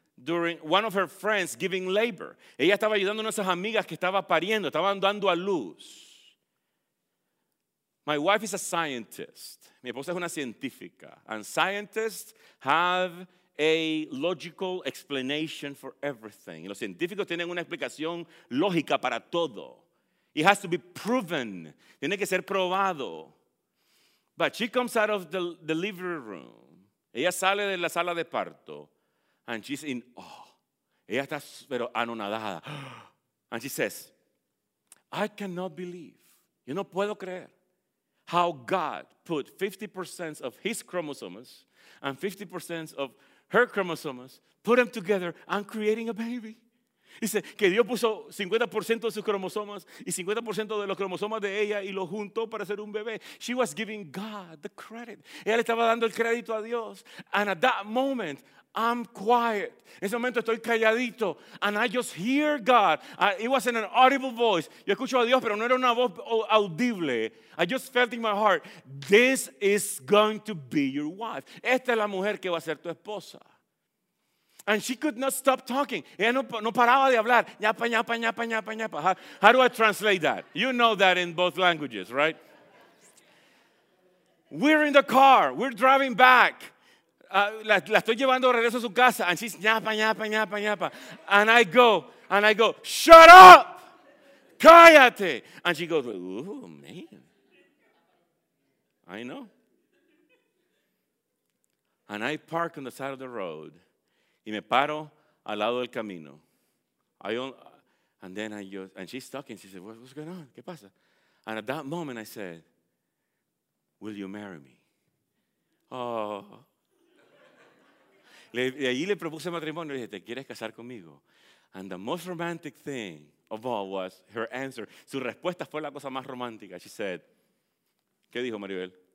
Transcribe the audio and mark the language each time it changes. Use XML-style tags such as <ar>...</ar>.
<en>During one of her friends giving labor.</en> <es>Ella estaba ayudando a esas amigas que estaba pariendo, estaban dando a luz.</es> <en>My wife is a scientist.</en> <es>Mi esposa es una científica.</es> <en>And scientists have a logical explanation for everything.</en> <es>Los científicos tienen una explicación lógica para todo.</es> <en>It has to be proven.</en> <es>Tiene que ser probado.</es> <en>But she comes out of the delivery room.</en> <es>Ella sale de la sala de parto.</es> <en>And she's in awe.</en> <es>Ella está pero anonadada.</es> <en>And she says, I cannot believe,</en> <es>yo no puedo creer,</es> <en>how God put 50% of his chromosomes, and 50% of her chromosomes, put them together and creating a baby.</en> <es>Dice que Dios puso 50% de sus cromosomas y 50% de los cromosomas de ella y lo juntó para hacer un bebé.</es> <en>She was giving God the credit.</en> <es>Ella le estaba dando el crédito a Dios.</es> <en>And at that moment, I'm quiet.</en> <es>En ese momento estoy calladito.</es> <en>And I just hear God. It was in an audible voice.</en> <es>Yo escucho a Dios, pero no era una voz audible.</es> <en>I just felt in my heart, this is going to be your wife.</en> <es>Esta es la mujer que va a ser tu esposa.</es> <en>And she could not stop talking.</en> <es>Ella no paraba de hablar.</es> <en>Ñapa, ñapa, ñapa, ñapa, ñapa. How do I translate that? You know that in both languages, right? We're in the car. We're driving back.</en> <es>La estoy llevando de regreso a su casa.</es> <en>And she's ñapa, ñapa, ñapa, ñapa. And I go, shut up.</en> <es>Cállate.</es> <en>And she goes, oh, man. I know. And I park on the side of the road.</en> <es>Y me paro al lado del camino.</es> <en>And she's talking. She said, what's going on?</en> <es>¿Qué pasa?</es> <en>And at that moment, I said, will you marry me? Oh.</en> <es>Y allí le propuse matrimonio. Le dije, ¿te quieres casar conmigo?</es> <en>And the most romantic thing of all was her answer.</en> <es>Su respuesta fue la cosa más romántica.</es> <en>She said,</en> <es>¿qué dijo Maribel?</es>